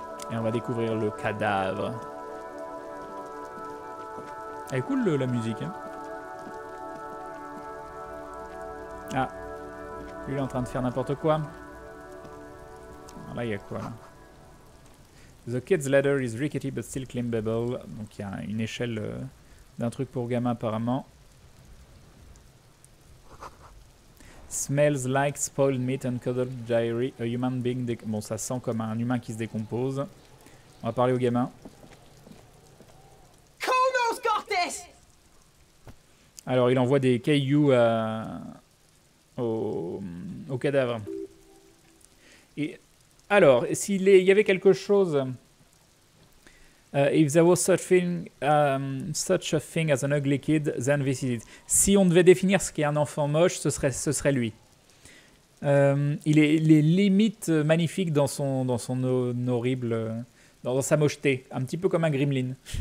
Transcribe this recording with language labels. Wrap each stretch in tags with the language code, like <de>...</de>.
<fr>Et on va découvrir le cadavre. Elle est cool, la musique. Hein. Ah. Lui, il est en train de faire n'importe quoi. Alors là, il y a quoi, là?</fr> <en>The kid's ladder is rickety but still climbable.</en> <fr>Donc, il y a une échelle d'un truc pour gamin, apparemment.</fr> <en>Smells like spoiled meat and cuddled diary. A human being...</en> <fr>Bon, ça sent comme un humain qui se décompose. On va parler au gamin.</fr> <en>Kono's got this!</en> <fr>Alors, il envoie des cailloux au cadavre. Et alors, s'il y avait quelque chose...</fr> <en>if there was such a thing as an ugly kid, then this is it.</en> <fr>Si on devait définir ce qu'est un enfant moche, ce serait lui. Il est limite magnifique dans sa mocheté, un petit peu comme un gremlin.</fr>